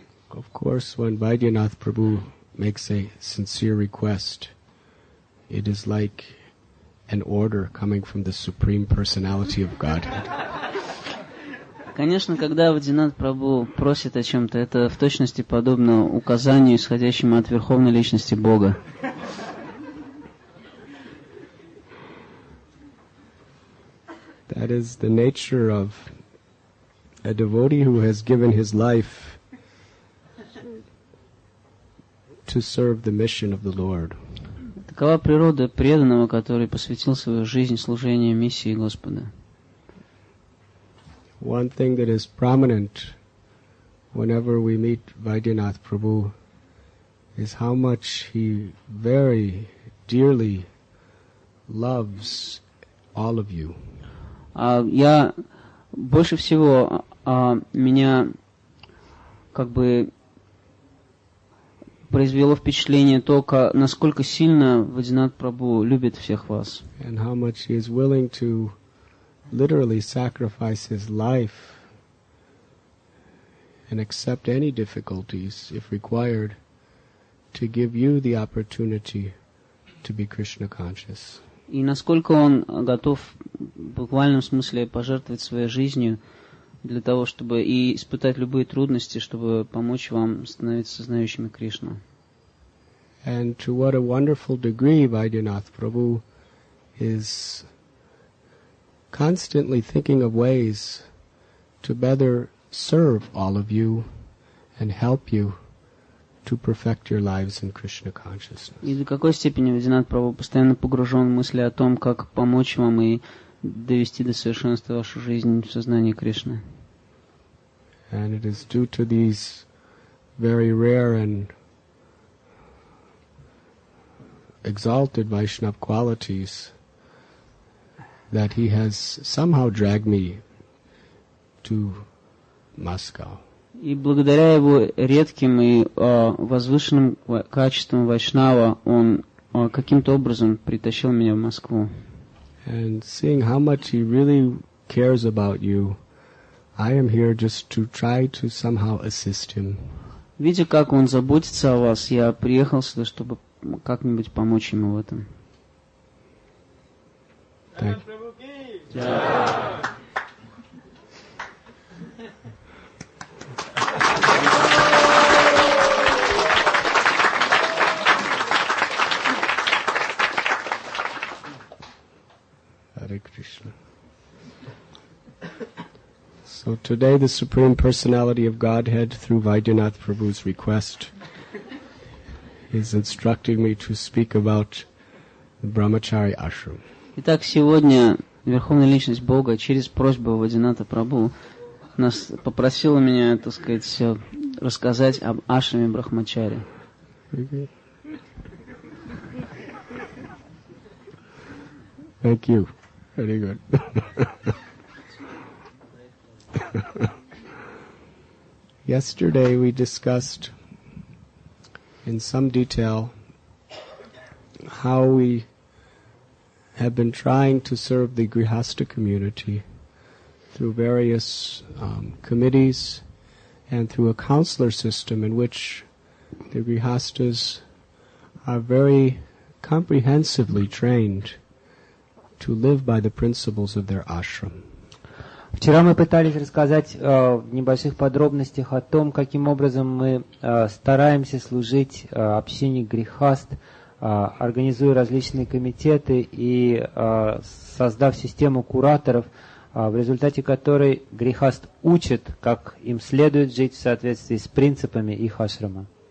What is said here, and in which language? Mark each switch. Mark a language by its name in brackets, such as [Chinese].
[English] Of course, when Vaidyanath Prabhu makes a sincere request, it is like an order coming from the Supreme Personality of Godhead. [Russian] Конечно, когда Вайдинат Прабху просит о чем-то, это в точности подобно указанию, исходящему от Верховной Личности Бога. [English] That is the nature of a devotee who has given his life to serve the mission of the Lord. [Russian] Такова природа преданного, который посвятил свою жизнь служению миссии Господа. [English] One thing that is prominent whenever we meet Vaidyanath Prabhu is how much he very dearly loves all of you. [Russian] Я больше всего меня как бы произвело впечатление то, насколько сильно Вайдинат Прабху любит всех вас. [English] And how much he is willing to literally sacrifice his life and accept any difficulties, if required, to give you the opportunity to be Krishna conscious. [Russian] И насколько он готов в буквальном смысле пожертвовать своей жизнью для того, чтобы и испытать любые трудности, чтобы помочь вам становиться знающими Кришну. [English] And to what a wonderful degree Vaidyanath Prabhu is constantly thinking of ways to better serve all of you and help you to perfect your lives in Krishna consciousness. [Russian] И до какой степени Вайдинат Прабху постоянно погружен в мысли о том, как помочь вам и довести до совершенства вашу жизнь в сознании Кришны. [English] And it is due to these very rare and exalted Vaishnava qualities that he has somehow dragged me to Moscow. [Russian] И благодаря его редким и возвышенным качествам Вайшнава, он каким-то образом притащил меня в Москву. [English] And seeing how much he really cares about you, I am here just to try to somehow assist him. [Russian] Видя, как он заботится о вас, я приехал сюда, чтобы как-нибудь помочь ему в этом. [English] Thank you. Hare Krishna. So today the Supreme Personality of Godhead, through Vaidyanath Prabhu's request, is instructing me to speak about the Brahmachari Ashram. [Russian] Итак, сегодня Верховная Личность Бога через просьбу Вайдинатха Прабху нас попросила меня, так сказать, все рассказать об ашраме Брахмачари. [English] Thank you. Very good. Yesterday we discussed in some detail how we have been trying to serve the Grihastha community through various committees and through a counselor system in which the Grihasthas are very comprehensively trained to live by the principles of their ashram. [Russian] Вчера мы пытались рассказать в небольших подробностях о том, каким образом мы стараемся служить общине Грихаст, организуя различные комитеты и создав систему кураторов, в результате которой грихаст учит, как им следует жить в соответствии с принципами их ашрама.